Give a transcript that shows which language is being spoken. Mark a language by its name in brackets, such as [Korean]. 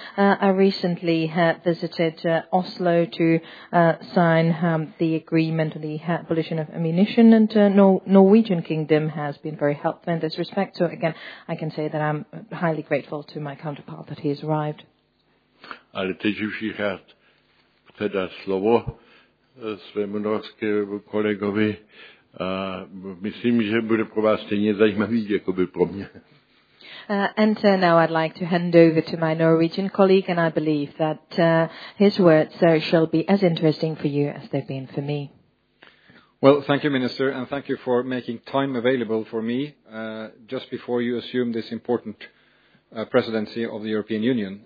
[English] I recently visited Oslo to the agreement on the abolition of ammunition, and Norwegian kingdom has been very helpful in this respect. So again, I can say that I'm highly grateful to my counterpart that he has arrived. [Czech] Ale teď už jich rád teda slovo svému norskému kolegovi. Myslím, že bude pro vás stejně zajímavý, jako by pro mě. [English] Now I'd like to hand over to my Norwegian colleague, and I believe that his words shall be as interesting for you as they've been for me. Well, thank you, Minister, and thank you for making time available for me just before you assume this important presidency of the European Union.